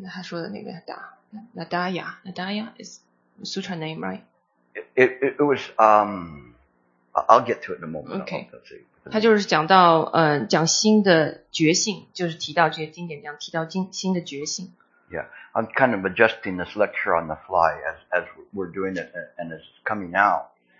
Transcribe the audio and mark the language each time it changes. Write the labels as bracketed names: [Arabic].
[Chinese] 他说的那个 [English] Nadaya is sutra name, right? It was I'll get to it in a moment. Okay. [Chinese] 他就是讲到讲心的觉性，就是提到这些经典讲提到心的觉性。 [English] Yeah, I'm kind of adjusting this lecture on the fly as we're doing it and it's coming out.